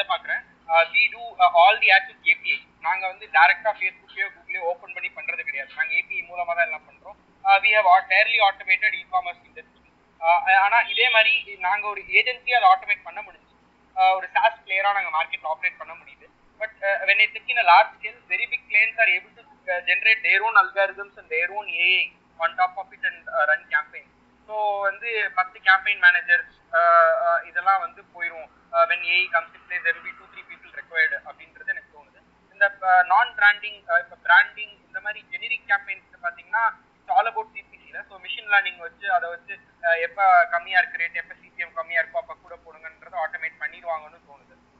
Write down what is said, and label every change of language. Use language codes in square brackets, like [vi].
[ta] நாங்க வந்து டைரக்டா ஃபேஸ்புக்கே கூகுளே ஓபன் பண்ணி பண்றது கிடையாது. நாங்க API மூலமா தான் எல்லாம் பண்றோம். [en] we have fairly automated e-commerce industry. [ta] ஆனா இதே மாதிரி நாங்க ஒரு ஏஜென்சியா அதை ஆட்டோமேட் பண்ண முடிஞ்சு ஒரு SaaS பிளேயரா நாங்க மார்க்கெட்ல ஆப்ரேட் பண்ண முடியுது. [en] But when it's in a large scale, very big clients are able to generate their own algorithms and their own AI on top of it and run campaign. [ta] So வந்து 10 campaign managers இதெல்லாம் வந்து போயிடும். [en] When AI comes in place, there will be 2-3 people required [ta] அப்படின்றது எனக்கு தோணுது. இந்த நான் branding இப்போ பிராண்டிங் இந்த மாதிரி ஜெனரிக் கேம்பெயின்ஸ் பார்த்தீங்கன்னா [en] it's all about [ta] சிபிசியில். So machine learning வச்சு அதை வச்சு எப்ப கம்மியா இருக்கு ரேட், எப்ப சிபிஎம் கம்மியா இருக்கோ அப்ப கூட போடுங்கன்றதை ஆட்டோமேட் பண்ணிடுவாங்கன்னு தோணுது.